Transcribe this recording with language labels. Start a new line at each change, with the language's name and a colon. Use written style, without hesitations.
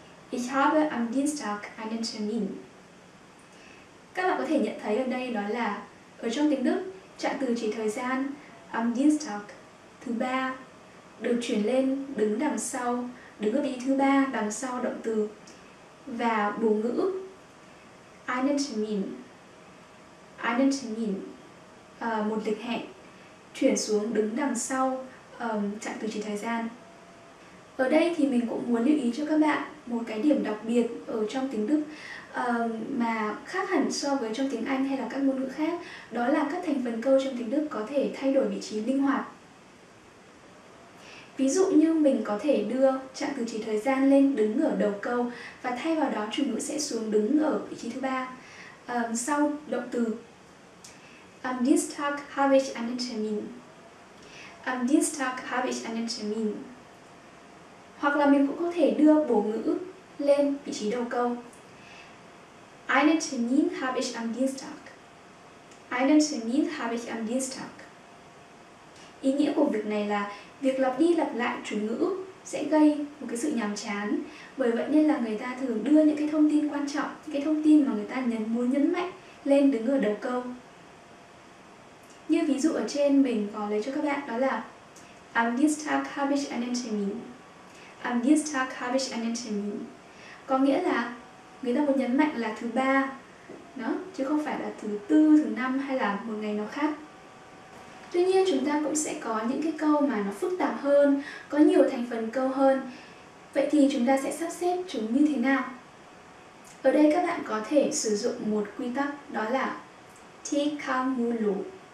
German: Ich habe am Dienstag einen Termin.
Vietnamese: Các bạn có thể nhận thấy ở đây đó là ở trong tiếng Đức, trạng từ chỉ thời gian
German: am Dienstag,
Vietnamese: thứ ba, được chuyển lên đứng đằng sau, đứng ở vị trí thứ ba đằng sau động từ và bổ ngữ
German: einen Termin. Einen Termin,
Vietnamese: một lịch hẹn, chuyển xuống đứng đằng sau trạng từ chỉ thời gian. Ở đây thì mình cũng muốn lưu ý cho các bạn một cái điểm đặc biệt ở trong tiếng Đức mà khác hẳn so với trong tiếng Anh hay là các ngôn ngữ khác, đó là các thành phần câu trong tiếng Đức có thể thay đổi vị trí linh hoạt. Ví dụ như mình có thể đưa trạng từ chỉ thời gian lên đứng ở đầu câu và thay vào đó chủ ngữ sẽ xuống đứng ở vị trí thứ ba sau động từ.
German: Am Dienstag habe ich einen Termin. Am Dienstag habe ich einen Termin.
Vietnamese: Hoặc là mình cũng có thể đưa bổ ngữ lên vị trí đầu câu.
German: Einen Termin habe ich am Dienstag. Einen Termin habe ich am Dienstag.
Vietnamese: Ý nghĩa của việc này là việc lặp đi lặp lại chủ ngữ sẽ gây một cái sự nhàm chán. Bởi vậy nên là người ta thường đưa những cái thông tin quan trọng, những cái thông tin mà người ta muốn nhấn mạnh lên đứng ở đầu câu. Như ví dụ ở trên mình có lấy cho các bạn đó là
German: Am Dienstag habe ich einen Termin. Am Dienstag habe ich einen Termin.
Vietnamese: Có nghĩa là người ta muốn nhấn mạnh là thứ ba đó, chứ không phải là thứ tư, thứ năm hay là một ngày nào khác. Tuy nhiên chúng ta cũng sẽ có những cái câu mà nó phức tạp hơn, có nhiều thành phần câu hơn. Vậy thì chúng ta sẽ sắp xếp chúng như thế nào? Ở đây các bạn có thể sử dụng một quy tắc đó là Thi kao mu lu.